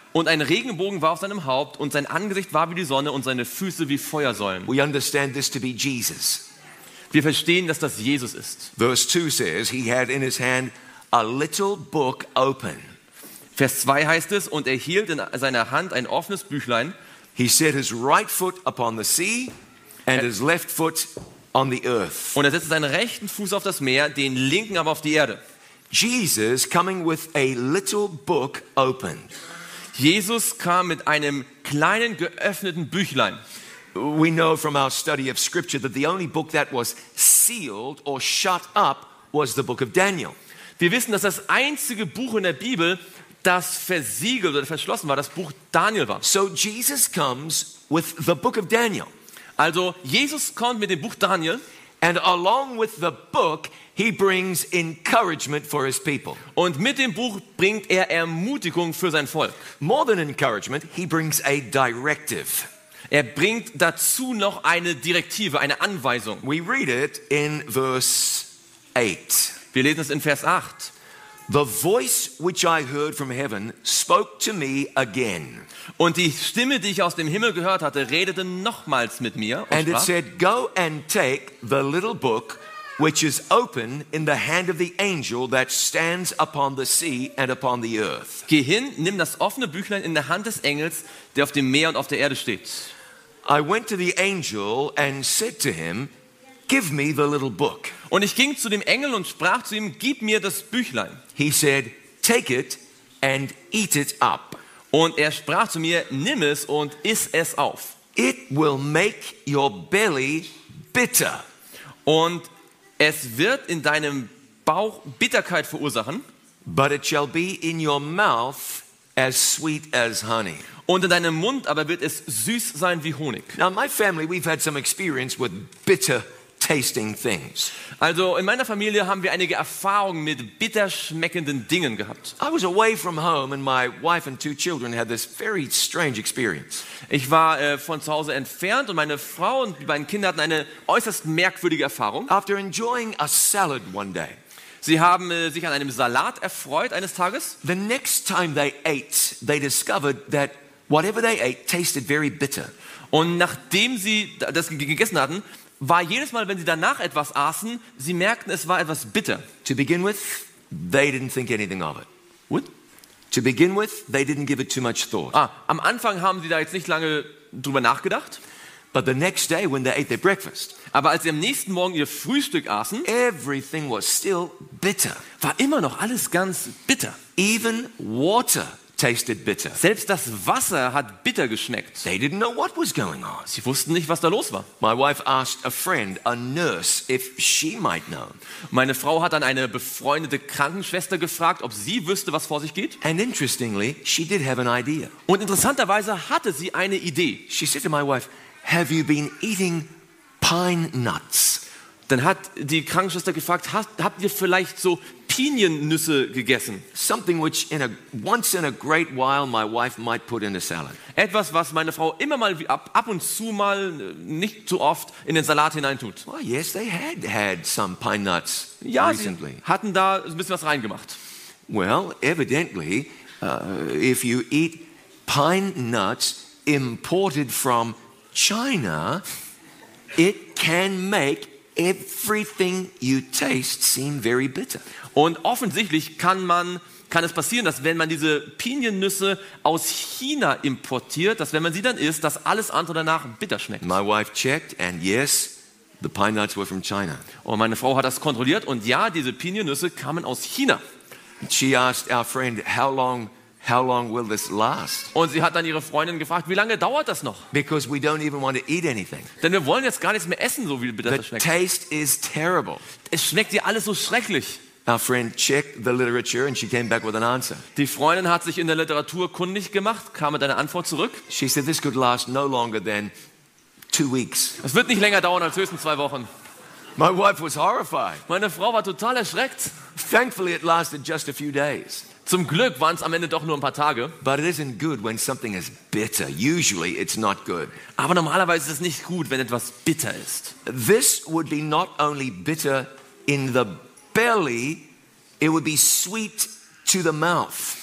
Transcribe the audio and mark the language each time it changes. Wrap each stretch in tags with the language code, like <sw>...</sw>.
<de>Und ein Regenbogen war auf seinem Haupt, und sein Angesicht war wie die Sonne, und seine Füße wie Feuersäulen.</de> <en>We understand this to be Jesus.</en> <de>Wir verstehen, dass das Jesus ist.</de> <en>Verse 2 says, he had in his hand a little book open.</en> <de>Vers 2 heißt es, und er hielt in seiner Hand ein offenes Büchlein.</de> <en>He set his right foot upon the sea and his left foot on the earth.</en> <de>Und er setzte seinen rechten Fuß auf das Meer, den linken aber auf die Erde.</de> <en>Jesus coming with a little book open.</en> <de>Jesus kam mit einem kleinen geöffneten Büchlein.</de> <en>We know from our study of scripture that the only book that was sealed or shut up was the book of Daniel.</en> <de>Wir wissen, dass das einzige Buch in der Bibel, das versiegelt oder verschlossen war, das Buch Daniel war.</de> <en>So Jesus comes with the book of Daniel.</en> <de>Also Jesus kommt mit dem Buch Daniel.</de> <en>And along with the book, he brings encouragement for his people.</en> <de>Und mit dem Buch bringt er Ermutigung für sein Volk.</de> <en>More than encouragement, he brings a directive.</en> <de>Er bringt dazu noch eine Direktive, eine Anweisung.</de> <en>We read it in verse 8.</en> <de>Wir lesen es in Vers 8.</de> <en>The voice which I heard from heaven spoke to me again.</en> <de>Und die Stimme, die ich aus dem Himmel gehört hatte, redete nochmals mit mir.</de> <en>And it said, go and take the little book which is open in the hand of the angel that stands upon the sea and upon the earth.</en> <de>Geh hin, nimm das offene Büchlein in der Hand des Engels, der auf dem Meer und auf der Erde steht.</de> <en>I went to the angel and said to him, give me the little book.</en> <de>Und ich ging zu dem Engel und sprach zu ihm, gib mir das Büchlein.</de> <en>He said, take it and eat it up.</en> <de>Und er sprach zu mir, nimm es und iss es auf.</de> <en>It will make your belly bitter.</en> <de>Und es wird in deinem Bauch Bitterkeit verursachen.</de> <en>But it shall be in your mouth as sweet as honey.</en> <de>Und in deinem Mund aber wird es süß sein wie Honig.</de> <en>Now my family, we've had some experience with bitter tasting things.</en> <de>Also in meiner Familie haben wir einige Erfahrungen mit bitter schmeckenden Dingen gehabt.</de> <en>I was away from home and my wife and two children had this very strange experience.</en> <de>Ich war von zu Hause entfernt und meine Frau und die beiden Kinder hatten eine äußerst merkwürdige Erfahrung.</de> <en>After enjoying a salad one day.</en> <de>Sie haben sich an einem Salat erfreut eines Tages.</de> <en>The next time they ate, they discovered that whatever they ate tasted very bitter.</en> <de>Und nachdem sie das gegessen hatten, war jedes Mal, wenn sie danach etwas aßen, sie merkten, es war etwas bitter.</de> <en>To begin with, they didn't think anything of it. What? To begin with, they didn't give it too much thought.</en> <de>Ah, am Anfang haben sie da jetzt nicht lange drüber nachgedacht.</de> <en>But the next day, when they ate their breakfast.</en> <de>Aber als sie am nächsten Morgen ihr Frühstück aßen.</de> <en>Everything was still bitter.</en> <de>War immer noch alles ganz bitter.</de> <en>Even water tasted bitter.</en> <de>Selbst das Wasser hat bitter geschmeckt.</de> <en>They didn't know what was going on.</en> <de>Sie wussten nicht, was da los war.</de> <en>My wife asked a friend, a nurse, if she might know.</en> <de>Meine Frau hat dann eine befreundete Krankenschwester gefragt, ob sie wüsste, was vor sich geht.</de> <en>And interestingly, she did have an idea.</en> <de>Und interessanterweise hatte sie eine Idee.</de> <en>She said to my wife, "Have you been eating pine nuts?"</en> <de>Dann hat die Krankenschwester gefragt, habt ihr vielleicht so Piniennüsse gegessen?</de> <en>Something which once in a great while my wife might put in a salad.</en> <de>Etwas, was meine Frau immer mal ab und zu mal nicht zu oft in den Salat hineintut.</de> <en>Well, yes, they had some pine nuts</en> <de>ja,</de> <en>recently.</en> <de>Sie hatten da ein bisschen was reingemacht.</de> <en>Well, evidently, if you eat pine nuts imported from China, it can make everything you taste seem very bitter.</en> <de>Und offensichtlich kann es passieren, dass wenn man diese Piniennüsse aus China importiert, dass wenn man sie dann isst, dass alles andere danach bitter schmeckt.</de> <en>My wife checked and yes, the pine nuts were from China.</en> <de>Und meine Frau hat das kontrolliert und ja, diese Piniennüsse kamen aus China.</de> <en>She asked our friend how long will this last?</en> <de>Und sie hat dann ihre Freundin gefragt, wie lange dauert das noch?</de> <en>Because we don't even want to eat anything.</en> <de>Denn wir wollen jetzt gar nichts mehr essen, so wie bitter das schmeckt.</de> <en>The taste is terrible.</en> <de>Es schmeckt ja alles so schrecklich.</de> <en>Our friend checked the literature and she came back with an answer.</en> <de>Die Freundin hat sich in der Literatur kundig gemacht, kam mit einer Antwort zurück.</de> <en>She said this could last no longer than 2 weeks.</en> <de>Es wird nicht länger dauern als höchstens 2 Wochen.</de> <en>My wife was horrified.</en> <de>Meine Frau war total erschreckt.</de> <en>Thankfully it lasted just a few days.</en> <de>Zum Glück waren es am Ende doch nur ein paar Tage.</de> <en>But it isn't good when something is bitter. Usually it's not good.</en> <de>Aber normalerweise ist es nicht gut, wenn etwas bitter ist.</de> <en>This would be not only bitter in the belly, it would be sweet to the mouth.</en>